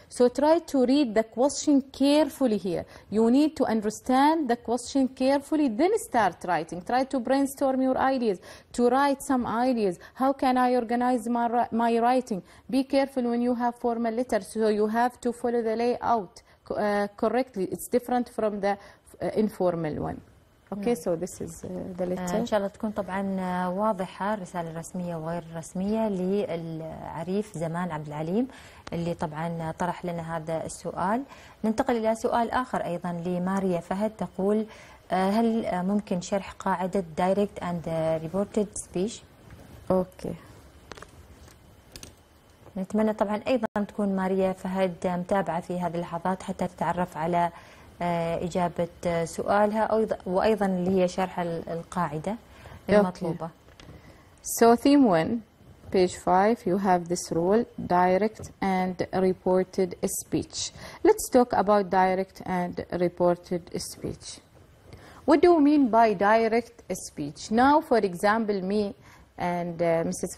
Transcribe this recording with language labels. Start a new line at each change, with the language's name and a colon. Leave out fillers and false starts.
English: So try to read the question carefully here. You need to understand the question carefully, then start writing. Try to brainstorm your ideas, to write some ideas. How can I organize my writing? Be careful when you have formal letters, so you have to follow the layout correctly. It's different from the informal one. Okay, so this is the letter.
Arabic: إن شاء الله تكون طبعا واضحة الرسالة الرسمية وغير الرسمية للعريف زمان عبد العليم اللي طبعا طرح لنا هذا السؤال. ننتقل إلى سؤال آخر أيضا لماريا فهد، تقول هل ممكن شرح قاعدة Direct and Reported Speech؟ أوكي. نتمنى طبعا أيضا تكون ماريا فهد متابعة في هذه اللحظات حتى تتعرف على إجابة سؤالها وأيضا اللي هي شرح القاعدة المطلوبة.
English: So theme one, page 5, you have this rule, direct and reported speech. Let's talk about direct and reported speech. What do you mean by direct speech? Now for example, me and Mrs.